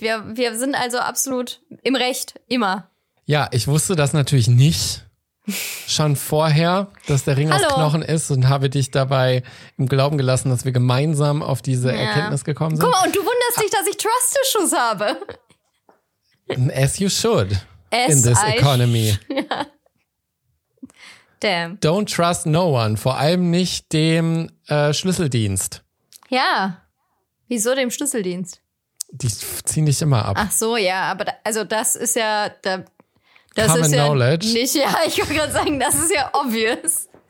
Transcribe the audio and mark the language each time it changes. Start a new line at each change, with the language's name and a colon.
German: Wir sind also absolut im Recht, immer. Ja, ich wusste das natürlich nicht schon vorher, dass der Ring aus Knochen ist und habe dich dabei im Glauben gelassen, dass wir gemeinsam auf diese Erkenntnis gekommen sind. Guck mal, und du wunderst dich, dass ich Trust Issues habe.
English: As you should in this economy. Damn. Don't trust no one,
German: vor allem nicht dem Schlüsseldienst. Ja, wieso dem Schlüsseldienst? Die ziehen dich immer ab. Ach so, ja, aber das ist ja... Das
English: Common
German: ist
English: knowledge.
German: Ja nicht, ja, ich wollte gerade sagen, das ist ja obvious.